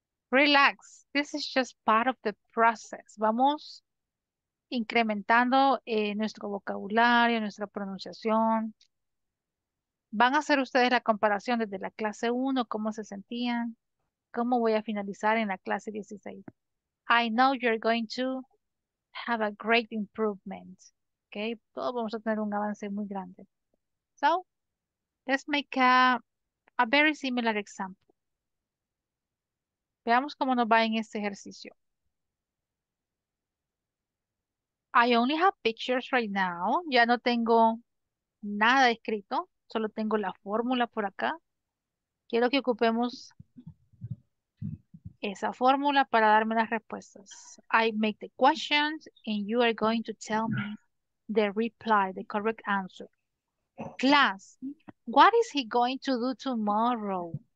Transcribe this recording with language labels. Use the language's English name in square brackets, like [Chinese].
[English] Relax. This is just part of the process. [Spanish] Vamos incrementando nuestro vocabulario, nuestra pronunciación. Van a hacer ustedes la comparación desde la clase 1, cómo se sentían, cómo voy a finalizar en la clase 16. [English] I know you're going to have a great improvement. [Spanish] Okay, todos vamos a tener un avance muy grande. [English] So, let's make a very similar example. [Spanish] Veamos cómo nos va en este ejercicio. [English] I only have pictures right now. [Spanish] Ya no tengo nada escrito. Solo tengo la fórmula por acá. Quiero que ocupemos esa fórmula para darme las respuestas. [English] I make the questions and you are going to tell me the reply, the correct answer. Class, what is he going to do tomorrow?